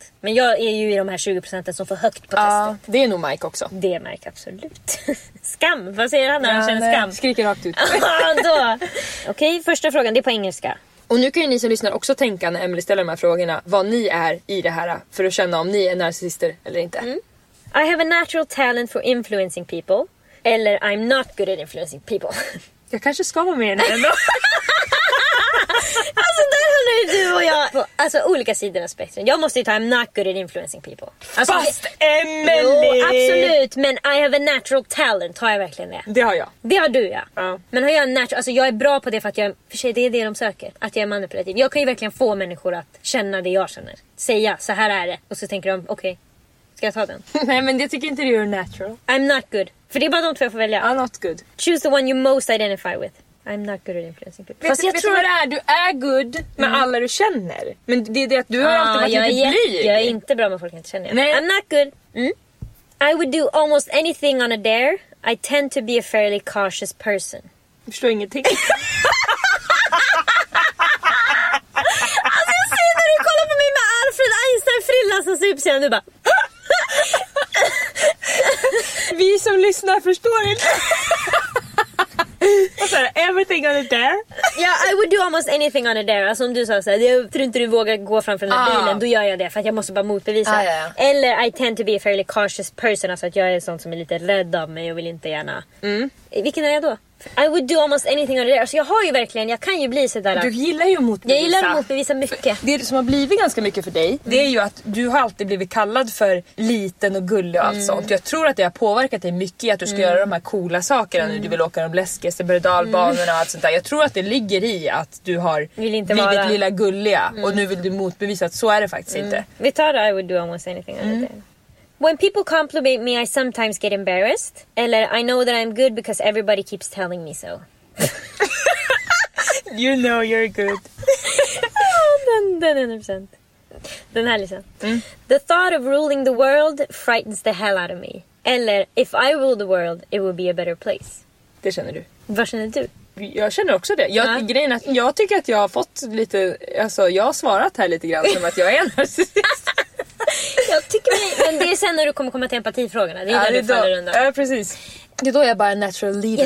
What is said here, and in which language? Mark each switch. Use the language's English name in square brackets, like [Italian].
[Swedish] Men jag är ju i de här 20% som får högt på testet. Ja, det är nog Mike också. Det är Mike, absolut. Skam, vad säger han när han känner skam? Skriker rakt ut. Då. Okej, första frågan, det är på engelska. Och nu kan ju ni som lyssnar också tänka när Emily ställer de här frågorna, vad ni är i det här, för att känna om ni är narcissister eller inte. Mm. [English] I have a natural talent for influencing people. [Swedish] Eller [English] I'm not good at influencing people. [Swedish] Jag kanske ska vara med i den då. Alltså där har nu du och jag på, alltså olika sidor av spektrum. Jag måste ju ta I'm not good at influencing people, alltså, fast Emily. Jo, absolut, men [English] I have a natural talent. [Swedish] Har jag verkligen det? Det har jag. Det har du, ja. Ja. Men har jag natural, alltså jag är bra på det för att jag, för sig det är det de söker, att jag är manipulativ. Jag kan ju verkligen få människor att känna det jag känner. Säga, så här är det. Och så tänker de, okej. Ska jag ta den? Nej, men jag tycker inte du är natural. [English] I'm not good. [Swedish] För det är bara de två jag får välja. [English] I'm not good. Choose the one you most identify with. I'm not good at influencing people. [Swedish] Fast jag tror att du är good med alla du känner. Men det är det att du har alltid varit lite blyg. Jag är inte bra med folk jag inte känner. Nej. [English] I'm not good. I would do almost anything on a dare. I tend to be a fairly cautious person. [Swedish] Jag förstår ingenting. Alltså jag ser när du kollar på mig med Alfred Einstein-frilla som ser upp sig. Du bara... Vi som lyssnar förstår inte. Alltså, [English] everything on a dare. Yeah, I would do almost anything on a dare. [Swedish] Alltså, om du sa såhär, jag tror inte du vågar gå framför den här bilen, då gör jag det för att jag måste bara motbevisa. Ah, ja, ja. Eller [English] I tend to be a fairly cautious person. [Swedish] Alltså att jag är sånt som är lite rädd av mig och vill inte gärna. Vilken är jag då? [English] I would do almost anything on a dare. [Swedish] Alltså jag har ju verkligen, jag kan ju bli sådär. Du gillar ju motbevisa. Jag gillar att motbevisa mycket. Det som har blivit ganska mycket för dig, det är ju att du har alltid blivit kallad för liten och gullig och allt sånt. Jag tror att det har påverkat dig mycket att du ska göra de här coola sakerna när du vill åka de läskigaste berg-dalbanorna och allt sånt där. Jag tror att det ligger i att du har blivit lilla gulliga och nu vill du motbevisa att så är det faktiskt inte. Vi tar det, [English] I would do almost anything on a dare. When people compliment me, I sometimes get embarrassed. [Swedish] Eller, [English] I know that I'm good because everybody keeps telling me so. You know you're good. [Swedish] Den 100%. Den här liksom. [English] The thought of ruling the world frightens the hell out of me. [Swedish] Eller, [English] if I rule the world, it would be a better place. [Swedish] Det känner du. Vad känner du? Jag känner också det. Jag, grejen är att jag tycker att jag har fått lite... Alltså, jag har svarat här lite grann som att jag är en narcissist. Jag tycker men det är sen när du kommer komma till empatifrågorna. Det är där det du faller under. Ja, precis. Det är då jag bara [English] natural leader.